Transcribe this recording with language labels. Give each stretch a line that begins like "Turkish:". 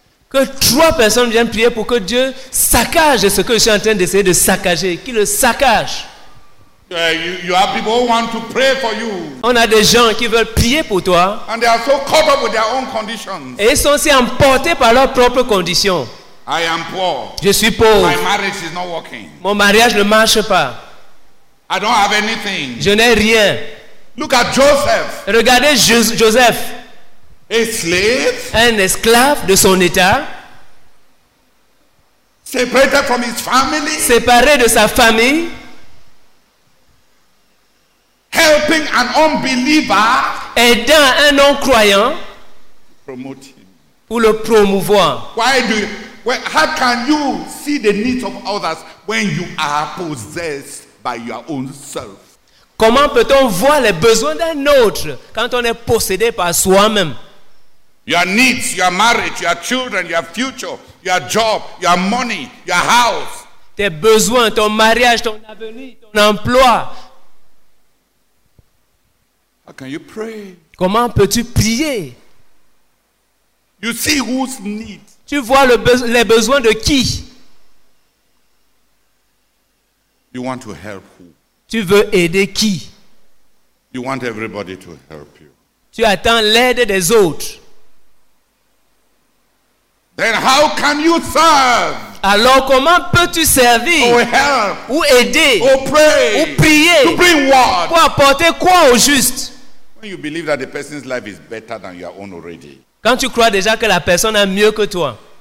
French: Que trois personnes viennent prier pour que Dieu saccage ce que je suis en train d'essayer de saccager. Qui le saccage?
English: You have people who want to pray for you.
French: On a des gens qui veulent prier pour toi.
English: And they are so caught up with their own conditions.
French: Et ils sont si emportés par leurs propres conditions.
English: I am poor.
French: Je suis pauvre.
English: My marriage is not working.
French: Mon mariage ne marche pas.
English: I don't have anything.
French: Je n'ai rien.
English: Look at Joseph.
French: Regardez Joseph.
English: A slave.
French: Un esclave de son état.
English: Separated from his family.
French: Séparé de sa famille.
English: Helping an unbeliever,
French: aidant un non-croyant,
English: promote him.
French: Pour le promouvoir.
English: Why do you, well, how can you see the needs of others when you are possessed by your own self?
French: Comment peut-on voir les besoins d'un autre quand on est possédé par soi-même?
English: Your needs, your marriage, your children, your future, your job, your money, your house.
French: Tes besoins, ton mariage, ton avenir, ton emploi.
English: How can you pray?
French: Comment peux-tu prier?
English: You see who's need.
French: Tu vois les besoins de qui?
English: You want to help who?
French: Tu veux aider qui?
English: You want everybody to help you.
French: Tu attends l'aide des autres.
English: Then how can you serve?
French: Alors comment peux-tu servir?
English: Or help?
French: Ou aider?
English: Or pray?
French: Ou prier?
English: To bring what?
French: Pour apporter quoi au juste?
English: When you believe that the person's life is better than your own already.
French: Quand tu crois déjà que la personne a mieux que toi.